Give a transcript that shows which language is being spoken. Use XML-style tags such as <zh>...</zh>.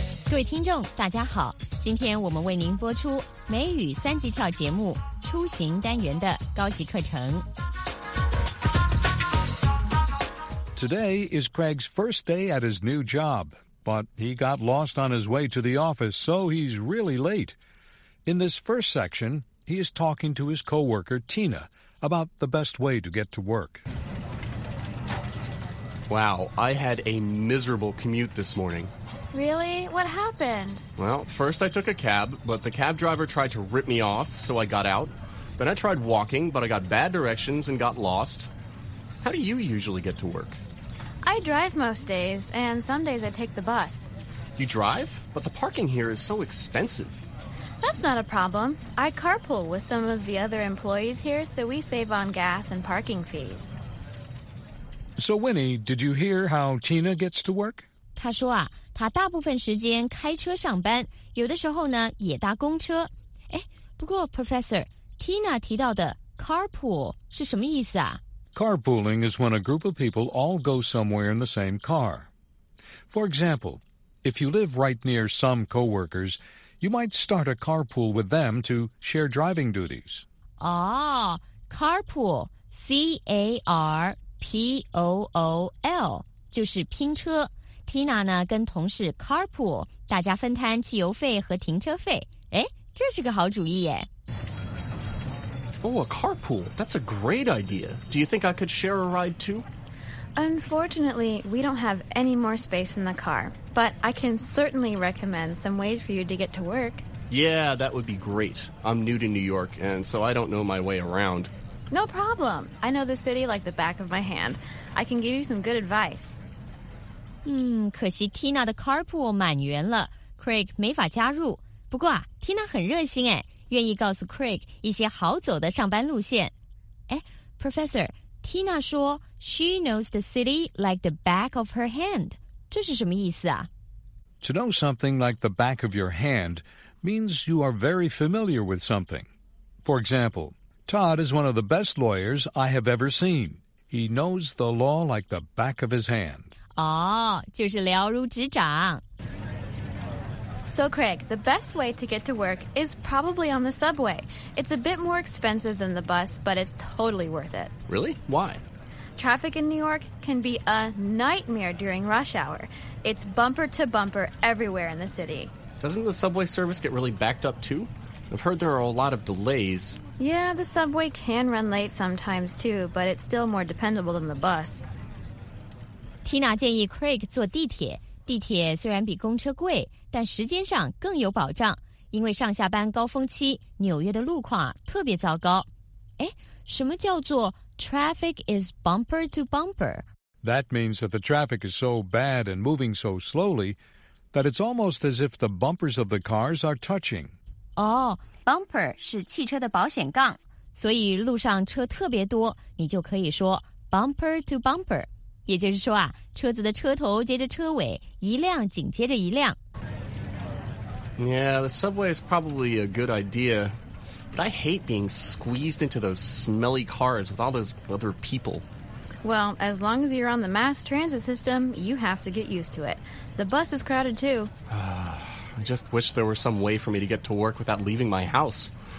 <zh>各位听众大家好，今天我们为您播出美语三级跳节目出行单元的高级课程。</zh> <en>Today is Craig's first day at his new job, but he got lost on his way to the office, so he's really late. In this first section, he is talking to his co-worker, Tina, about the best way to get to work. Wow, I had a miserable commute this morning. Really? What happened? Well, first I took a cab, but the cab driver tried to rip me off, so I got out. Then I tried walking, but I got bad directions and got lost. How do you usually get to work? I drive most days, and some days I take the bus. You drive? But the parking here is so expensive. That's not a problem. I carpool with some of the other employees here, so we save on gas and parking fees. So, Winnie, did you hear how Tina gets to work?</en> <zh>她说啊，她大部分时间开车上班，有的时候呢，也搭公车。哎，不过 Professor, Tina 提到的 carpool 是什么意思啊？</zh> <en>Carpooling is when a group of people all go somewhere in the same car. For example, if you live right near some co-workers, you might start a carpool with them to share driving duties.</en> <zh>Ah, carpool, C-A-R-P-O-O-L, 就是拼车。 Tina 呢跟同事 carpool, 大家分摊汽油费和停车费。诶，这是个好主意耶。</zh> <en>Oh, a carpool. That's a great idea. Do you think I could share a ride, too? Unfortunately, we don't have any more space in the car, but I can certainly recommend some ways for you to get to work. Yeah, that would be great. I'm new to New York, and so I don't know my way around. No problem. I know the city like the back of my hand. I can give you some good advice.</en> <zh>可惜 Tina 的 carpool 满员了。 Craig 没法加入。不过啊 ,Tina 很热心诶。愿意告诉 Craig 一些好走的上班路线。</zh> <en>哎 ,Professor, Tina 说 ,She knows the city like the back of her hand.</en> <zh>这是什么意思啊</zh> <en>?To know something like the back of your hand means you are very familiar with something. For example, Todd is one of the best lawyers I have ever seen. He knows the law like the back of his hand.</en> <zh>哦、oh, 就是了如指掌。</zh> <en>So, Craig, the best way to get to work is probably on the subway. It's a bit more expensive than the bus, but it's totally worth it. Really? Why? Traffic in New York can be a nightmare during rush hour. It's bumper to bumper everywhere in the city. Doesn't the subway service get really backed up, too? I've heard there are a lot of delays. Yeah, the subway can run late sometimes, too, but it's still more dependable than the bus.</en> <zh>Tina 建议 Craig 坐地铁。地铁虽然比公车贵，但时间上更有保障，因为上下班高峰期，纽约的路况啊特别糟糕。哎，什么叫做 traffic is bumper to bumper?</zh> <en>That means that the traffic is so bad and moving so slowly that it's almost as if the bumpers of the cars are touching.</en> <zh>哦、oh, ,bumper 是汽车的保险杠，所以路上车特别多，你就可以说 bumper to bumper。也就是说啊，车子的车头接着车尾，一辆紧接着一辆。</zh> <en>Yeah, the subway is probably a good idea. But I hate being squeezed into those smelly cars with all those other people. Well, as long as you're on the mass transit system, you have to get used to it. The bus is crowded too. I just wish there were some way for me to get to work without leaving my house.</en>